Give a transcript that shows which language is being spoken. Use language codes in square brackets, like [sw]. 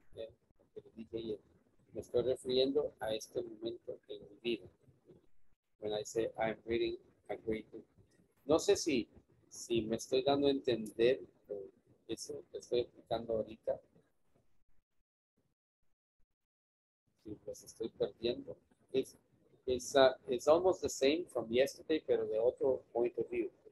[en] Okay. [es] Me estoy refiriendo a este momento en mi vida. [en] When I say I'm reading a great book. [es] No sé si me estoy dando a entender eso que estoy explicando ahorita. si los estoy perdiendo. [en] It's almost the same from yesterday, [es] pero de otro [en] point of view.